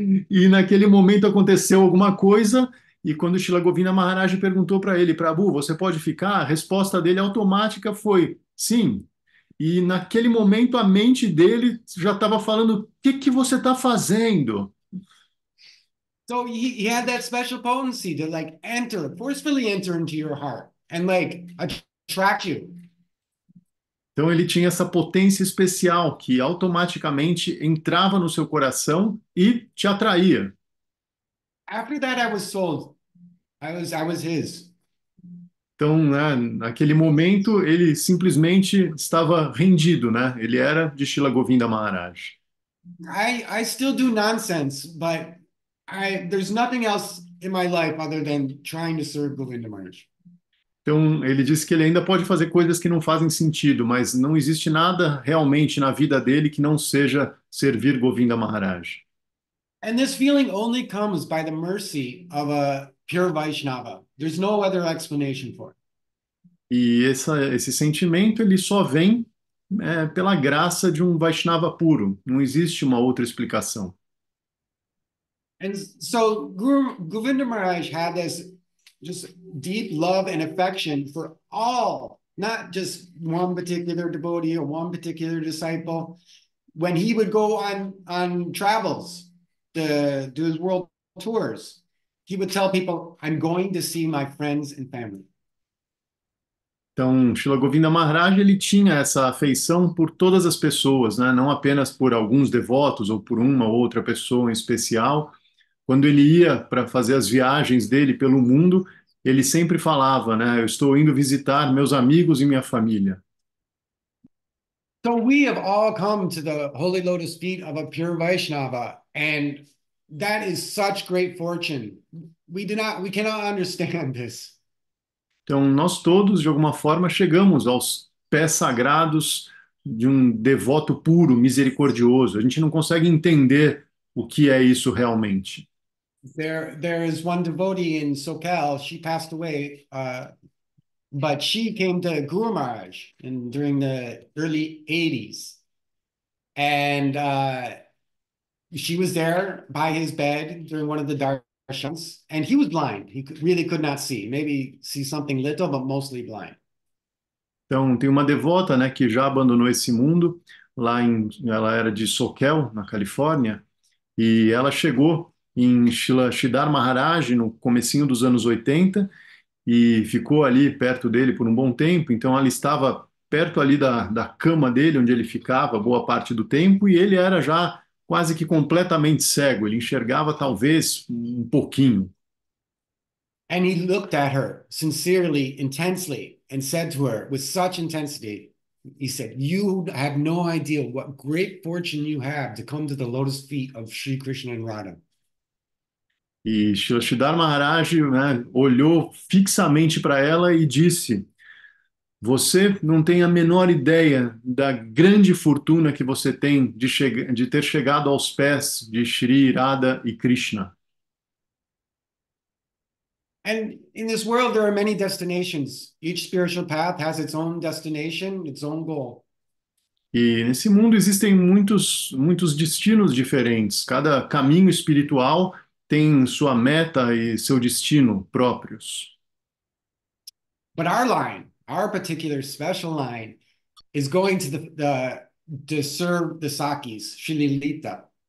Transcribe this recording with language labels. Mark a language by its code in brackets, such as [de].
[pt] E naquele momento aconteceu alguma coisa, e quando Srila Govinda Maharaj perguntou para ele, Prabhu, você pode ficar? A resposta dele automática foi sim. E naquele momento a mente dele já estava falando, que você está fazendo? [en] So he had that special potency to like enter, forcefully enter into your heart and like attract you. [pt] Então ele tinha essa potência especial que automaticamente entrava no seu coração e te atraía. [en] After that I was sold. I was his. [pt] Então, né, naquele momento ele simplesmente estava rendido, né? Ele era de Srila Govinda Maharaj. [en] I still do nonsense, but there's nothing else in my life other than trying to serve Govinda Maharaj. [pt] Então, ele disse que ele ainda pode fazer coisas que não fazem sentido, mas não existe nada realmente na vida dele que não seja servir Govinda Maharaj. [en] And this feeling only comes by the mercy of a pure Vaishnava. There's no other explanation for it. [pt] E esse sentimento, ele só vem pela graça de um Vaishnava puro. Não existe uma outra explicação. [en] And so, Govinda Maharaj had this just deep love and affection for all, not just one particular devotee or one particular disciple. When he would go on travels, do his world tours, he would tell people, I'm going to see my friends and family. [pt] Então, Srila Govinda Maharaj, ele tinha essa afeição por todas as pessoas, né? Não apenas por alguns devotos ou por uma ou outra pessoa em especial. Quando ele ia para fazer as viagens dele pelo mundo, ele sempre falava, né? Eu estou indo visitar meus amigos e minha família. [en] So we have all come to the holy lotus feet of a pure Vaishnava, and that is such great fortune. We cannot understand this. [pt] Então nós todos, de alguma forma, chegamos aos pés sagrados de um devoto puro, misericordioso. A gente não consegue entender o que é isso realmente. [en] There is one devotee in SoCal. She passed away, but she came to Guru Maharaj during the early 80s, and she was there by his bed during one of the darshans, and he was blind. He really could not see. Maybe see something little, but mostly blind. [pt] Então tem uma devota, né, que já abandonou esse mundo lá em, ela era de SoCal, na Califórnia, e ela chegou em Shridhar Maharaj no comecinho dos anos 80 e ficou ali perto dele por um bom tempo. Então ela estava perto ali da cama dele, onde ele ficava boa parte do tempo, e ele era já quase que completamente cego, ele enxergava talvez um pouquinho. [en] And he looked at her sincerely, intensely, and said to her with such intensity, he said, you have no idea what great fortune you have to come to the lotus feet of Sri Krishna and Radha. [pt] E Shridhar Maharaj, né, olhou fixamente para ela e disse, você não tem a menor ideia da grande fortuna que você tem de ter chegado aos pés de Sri, Radha e Krishna. [en] And in this world, there are many destinations. Each spiritual path has its own destination, its own goal. [pt] E nesse mundo existem muitos destinos diferentes. Cada caminho espiritual tem sua meta e seu destino próprios. [en] But our line, our particular special line, is going to the serve the Sakis, Shililita.